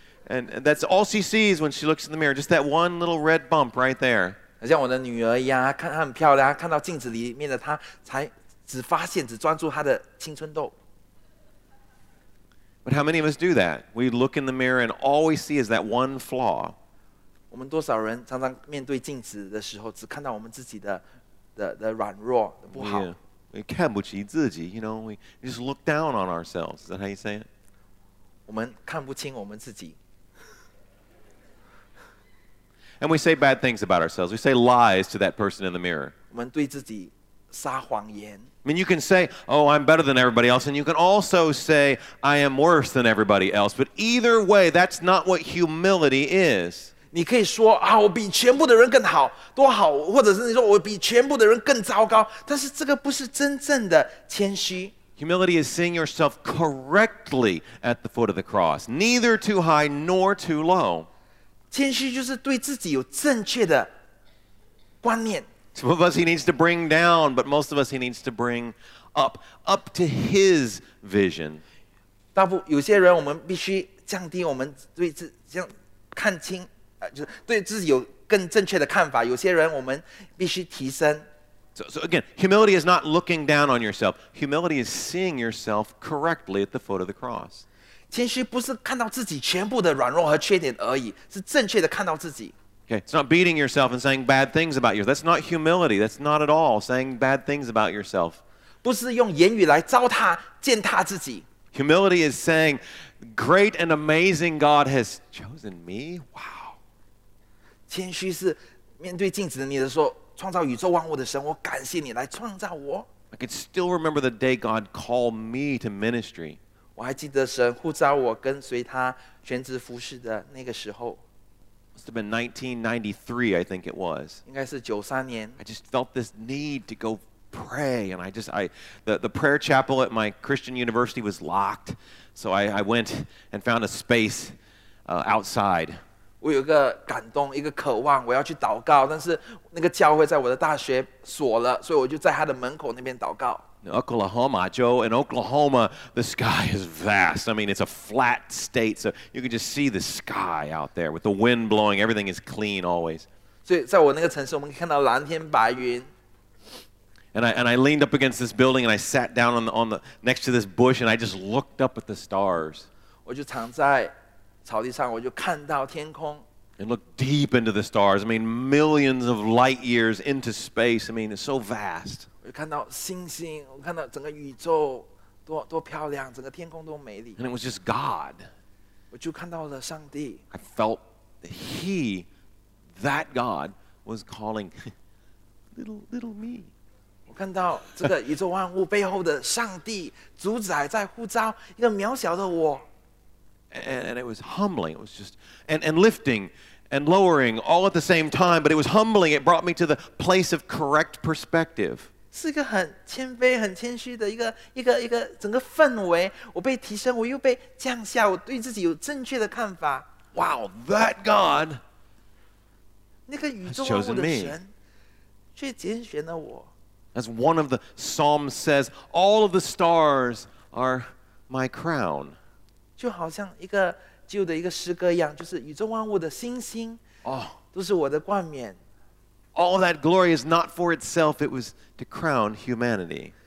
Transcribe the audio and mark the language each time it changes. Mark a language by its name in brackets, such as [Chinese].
[English] And that's all she sees when she looks in the mirror, just that one little red bump right there. [Chinese] 好像我的女儿一样，她很漂亮，看到镜子里面的她才只发现，只专注她的青春痘。 [English] But how many of us do that? We look in the mirror and all we see is that one flaw. [Chinese] 我们多少人常常面对镜子的时候，只看到我们自己的软弱，的不好。 [English] Yeah. We [Chinese] 看不起自己 [English] you know, we just look down on ourselves. Is that how you say it? [Chinese] 我们看不清我们自己。 [English] And we say bad things about ourselves. We say lies to that person in the mirror. [Chinese] 我们对自己撒谎言。 [English] I mean, you can say, oh, I'm better than everybody else, and you can also say, I am worse than everybody else. But either way, that's not what humility is. [Chinese] 你可以说啊，我比全部的人更好，多好，或者是你说我比全部的人更糟糕，但是这个不是真正的谦虚。 [English] Humility is seeing yourself correctly at the foot of the cross, neither too high nor too low. [Chinese] 谦虚就是对自己有正确的观念。 [English] Some of us he needs to bring down, but most of us he needs to bring up to his vision. [Chinese] 大部有些人我们必须降低我们对自这样看清。就是对自己有更正确的看法。有些人我们必须提升。 [English] So again, humility is not looking down on yourself. Humility is seeing yourself correctly at the foot of the cross. [Chinese] 谦虚不是看到自己全部的软弱和缺点而已，是正确的看到自己。 [English] Okay, it's not beating yourself and saying bad things about yourself. That's not humility. That's not at all saying bad things about yourself. [Chinese] 不是用言语来糟蹋、践踏自己。 [English] Humility is saying, "Great and amazing God has chosen me." Wow. [Chinese] 谦虚是面对镜子的你的说，创造宇宙万物的神，我感谢你来创造我。 [English] I can still remember the day God called me to ministry. [Chinese] 我还记得神呼召我跟随他全职服事的那个时候。 [English] Must have been 1993, I think it was. [Chinese] 应该是九三年。 [English] I just felt this need to go pray, and the prayer chapel at my Christian university was locked, so I went and found a space outside. [Chinese] 我有一个感动，一个渴望，我要去祷告，但是那个教会在我的大学锁了，所以我就在他的门口那边祷告。 [English] Oklahoma, Joe, in Oklahoma, the sky is vast. I mean, it's a flat state, so you can just see the sky out there with the wind blowing. Everything is clean always. [Chinese] So, 在我那个城市，我们可以看到蓝天白云。 [English] And I leaned up against this building and I sat down on the next to this bush and I just looked up at the stars. [Chinese] 我就躺在草地上，我就看到天空。 [English] And looked deep into the stars. I mean, millions of light years into space. I mean, it's so vast. [Chinese] 我看到星星，我看到整个宇宙多漂亮，整个天空多美丽。 [English] And it was just God. [Chinese] 我就看到了上帝。 [English] I felt that He, that God, was calling little me. [Chinese] 我看到这个宇宙万物背后的上帝主宰在呼召一个渺小的我。 [English] And it was humbling. It was just and lifting. And lowering all at the same time, but it was humbling. It brought me to the place of correct perspective. [Chinese] 是一个很谦卑、很谦虚的一个整个氛围。我被提升，我又被降下，我对自己有正确的看法。 [English] Wow, that God, [Chinese] 那个宇宙万物的神，却拣选了我。 [English] As one of the Psalms says, all of the stars are my crown. [Chinese] 就好像一个。旧的一个诗歌一样，就是宇宙万物的星星，都是我的冠冕。 [English] All that glory is not for itself; it was to crown humanity.